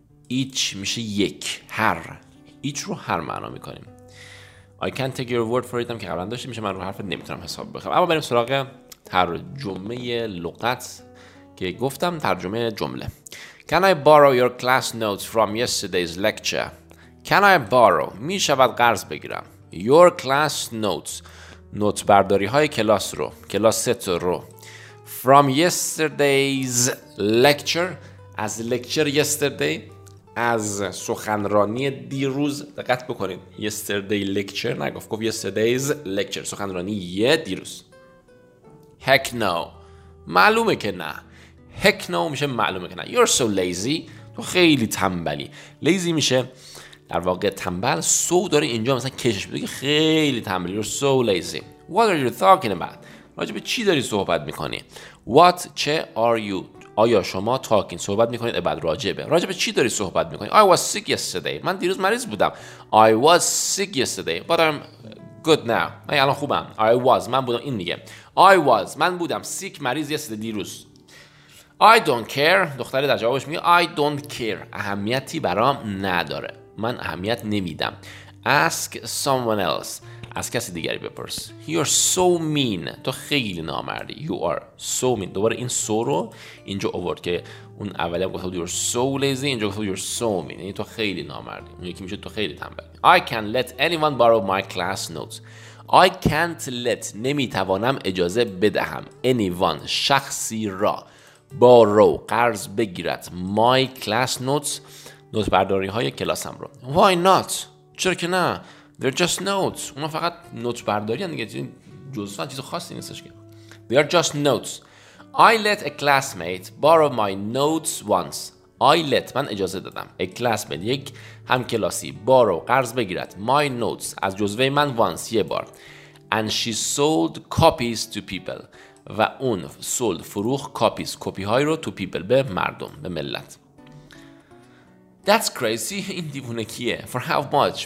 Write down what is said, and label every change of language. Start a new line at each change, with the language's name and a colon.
Persian: Each میشه یک، هر. Each رو هر معنا میکنیم.
English: I can't take your word for it
Persian: هم که قبلا داشتیم میشه من رو حرفت نمیتونم حساب بخوام. اما بریم سراغ ترجمه لغت که گفتم ترجمه جمله.
English: Can I borrow your class notes from yesterday's lecture? Can I borrow
Persian: میشود قرض بگیرم.
English: Your class notes
Persian: نوت برداری های کلاس رو، کلاست رو.
English: From yesterday's lecture، از lecture yesterday،
Persian: از سخنرانی دیروز. دقت بکنید،
English: yesterday lecture
Persian: نگفت، گفت
English: yesterday's lecture،
Persian: سخنرانی یه دیروز.
English: Heck no،
Persian: معلومه که نه. Heck no میشه معلومه که نه.
English: You're so lazy،
Persian: تو خیلی تنبلی. lazy میشه در واقع تنبل. سو داره اینجا مثلا کشش میده که خیلی تنبلی.
English: You're so lazy. What are you talking about؟
Persian: راجب چی داری صحبت میکنی؟ What، چه، are you، آیا شما، talking صحبت میکنید، بعد راجبه، راجب چی داری صحبت میکنی؟
English: I was sick yesterday،
Persian: من دیروز مریض بودم.
English: I was sick yesterday but I'm good now،
Persian: من الان خوبم.
English: I was،
Persian: من بودم، این دیگه. I was، من بودم sick، مریض yesterday، دیروز.
English: I don't care،
Persian: دختره در جوابش میگه I don't care، اهمیتی برام نداره، من اهمیت نمیدم.
English: Ask someone else،
Persian: از کسی دیگری بپرس.
English: You're so mean،
Persian: تو خیلی نامردی.
English: You are so mean،
Persian: دوباره این so رو اینجا آورد که اون اولی هم گفته بود
English: You're so lazy،
Persian: اینجا گفته بود You're so mean، یعنی تو خیلی نامردی. اون یکی میشه تو خیلی تنبلی.
English: I can't let anyone borrow my class notes. I can't let،
Persian: نمیتوانم اجازه بدهم، anyone، شخصی را، borrow، قرض بگیرد، my class notes، نوت برداری های کلاسم رو.
English: Why not؟
Persian: چرا که نه؟
English: They're just notes.
Persian: اونا فقط نوت برداری هم دیگه، جزوه چیز خاصی نیستش که.
English: They are just notes. I let a classmate borrow my notes once. I let,
Persian: من اجازه دادم.
English: A classmate,
Persian: یک همکلاسی. Borrow, قرض بگیرد.
English: My notes,
Persian: از جزوه من once, یه بار.
English: And she sold copies to people.
Persian: و اون sold, فروخ, copies, کپی های رو
English: to people,
Persian: به مردم, به ملت.
English: That's crazy.
Persian: این دیوونه کیه؟
English: For how much?